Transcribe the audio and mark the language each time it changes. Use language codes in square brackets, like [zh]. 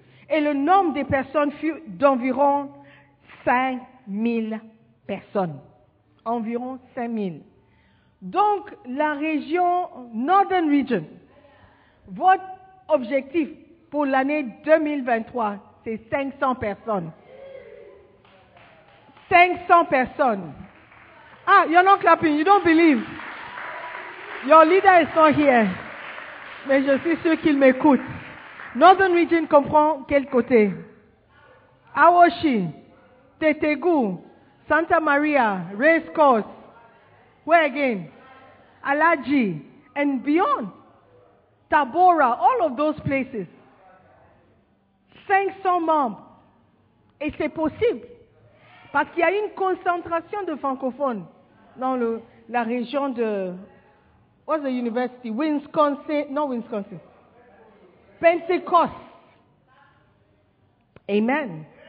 [fr] Et le nombre des personnes fut d'environ 5000 personnes. Environ 5000. Donc, la région Northern Region, votre objectif pour l'année 2023, c'est 500 personnes. 500 personnes. [en] Ah, you're not clapping, you don't believe. Your leader is not here. [fr] Mais je suis sûr qu'il m'écoute. Northern Region comprend quel côté? Awoshi, Tetegu, Santa Maria, Race Course. [en] Where again? Alaji, and beyond. Tabora, all of those places. [fr] 500 membres. Et c'est possible. Parce qu'il y a une concentration de francophones dans la région de... [en] What's the university? Wisconsin. [fr] Non, [en] Wisconsin. Pentecost. Amen.